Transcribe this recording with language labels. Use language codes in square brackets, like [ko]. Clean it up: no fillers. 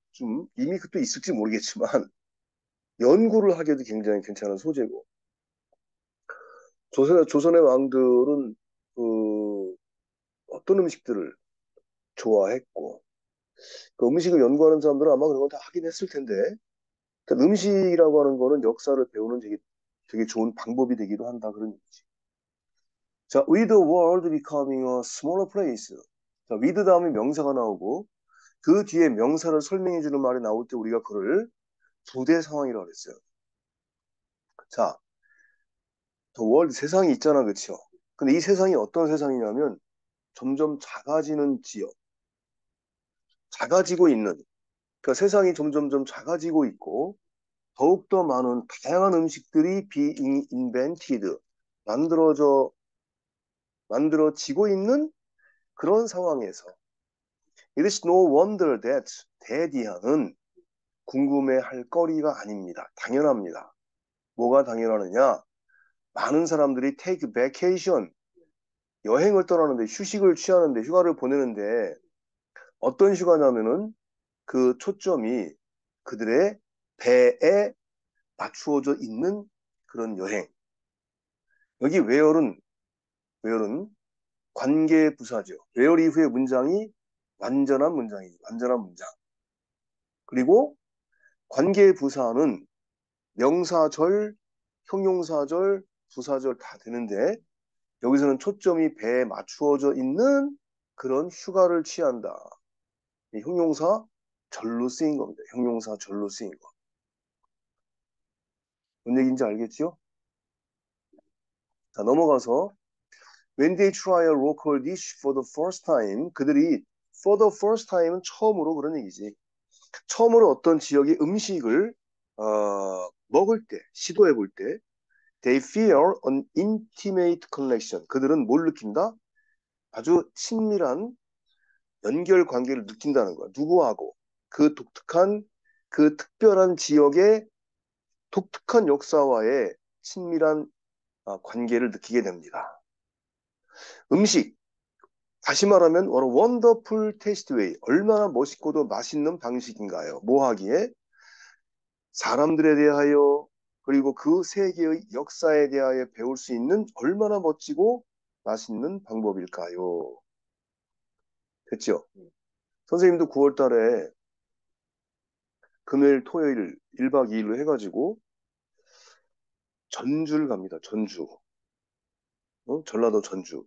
[ko] 좀 이미 그때 있을지 모르겠지만 연구를 하기에도 굉장히 괜찮은 소재고, 조선의 왕들은 어떤 음식들을 좋아했고, 그 음식을 연구하는 사람들은 아마 그런 걸다 하긴 했을 텐데, 음식이라고 하는 거는 역사를 배우는 되게 좋은 방법이 되기도 한다, 그런 얘기지. [en] 자, with the world becoming a smaller place. [ko] 자, with 다음에 명사가 나오고, 그 뒤에 명사를 설명해 주는 말이 나올 때 우리가 그를 부대 상황이라고 그랬어요. 자, [en] the world, [ko] 세상이 있잖아, 그렇죠? 근데 이 세상이 어떤 세상이냐면, 점점 작아지는 지역. 작아지고 있는. 그러니까 세상이 점점점 작아지고 있고, 더욱더 많은 다양한 음식들이 [en] being invented, [ko] 만들어지고 있는 그런 상황에서. [en] It is no wonder that [ko] 대디안은 궁금해할 거리가 아닙니다. 당연합니다. 뭐가 당연하느냐? 많은 사람들이 [en] take vacation. [ko] 여행을 떠나는데, 휴식을 취하는데, 휴가를 보내는데, 어떤 휴가냐면은 그 초점이 그들의 배에 맞추어져 있는 그런 여행. 여기 where은 관계 부사죠. where 이후의 문장이 완전한 문장이지, 완전한 문장. 그리고 관계 부사는 명사절, 형용사절, 부사절 다 되는데, 여기서는 초점이 배에 맞추어져 있는 그런 휴가를 취한다. 형용사 절로 쓰인 겁니다. 형용사 절로 쓰인 거. 뭔 얘기인지 알겠죠? 자, 넘어가서 [en] When they try a local dish for the first time, [ko] 그들이 [en] for the first time은 [ko] 처음으로, 그런 얘기지. 처음으로 어떤 지역의 음식을 먹을 때, 시도해 볼 때, [en] They feel an intimate connection. [ko] 그들은 뭘 느낀다? 아주 친밀한 연결 관계를 느낀다는 거야. 누구하고? 그 독특한, 그 특별한 지역의 독특한 역사와의 친밀한 관계를 느끼게 됩니다. 음식. [en] 다시 말하면, what a wonderful taste way. [ko] 얼마나 멋있고도 맛있는 방식인가요? 뭐 하기에? 사람들에 대하여 그리고 그 세계의 역사에 대하여 배울 수 있는 얼마나 멋지고 맛있는 방법일까요? 됐죠? 선생님도 9월 달에 금요일, 토요일 1박 2일로 해가지고 전주를 갑니다. 전주. 전라도 전주.